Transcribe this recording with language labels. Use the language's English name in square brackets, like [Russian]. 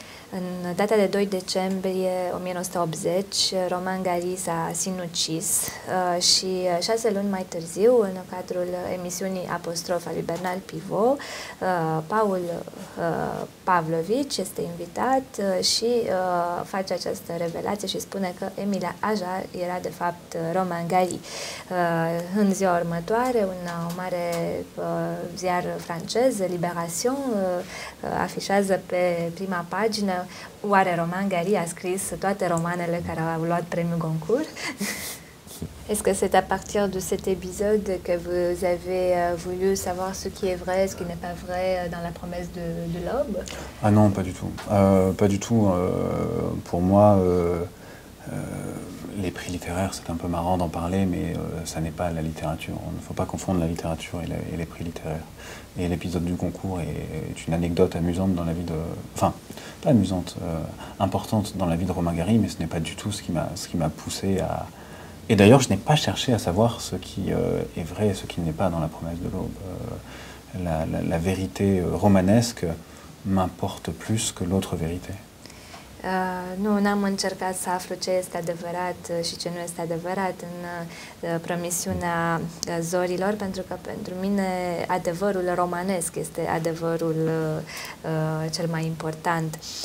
[Romanian] În data de 2 decembrie 1980, Romain Gary s-a sinucis și 6 luni mai târziu, în cadrul emisiunii Apostrofa lui Bernard Pivot, Paul Pavlovici este invitat și face această revelație și spune că Émile Ajar era de fapt Romain Gary. În ziua următoare, un mare ziar francez, Libération, afișează pe prima pagină: oare Romain Gary a scris toate romanele care au luat premiul Goncourt? [French] Est-ce que c'est à partir de cet épisode que vous avez voulu savoir ce qui est vrai, ce qui n'est pas vrai dans la promesse de l'aube? Ah non, pas du tout. Pas du tout. Pour moi, les prix littéraires, c'est un peu marrant d'en parler, mais ça n'est pas la littérature. Il ne faut pas confondre la littérature et les prix littéraires. Et l'épisode du Goncourt est une anecdote amusante dans la vie de... Enfin, pas amusante, importante dans la vie de Romain Gary, mais ce n'est pas du tout ce qui m'a poussé à... Et d'ailleurs, je n'ai pas cherché à savoir ce qui est vrai et ce qui n'est pas dans La promesse de l'aube. La vérité romanesque m'importe plus que l'autre vérité. [Romanian] Nu, n-am încercat să aflu ce este adevărat și ce nu este adevărat în promisiunea zorilor, pentru că pentru mine adevărul romanesc este adevărul cel mai important.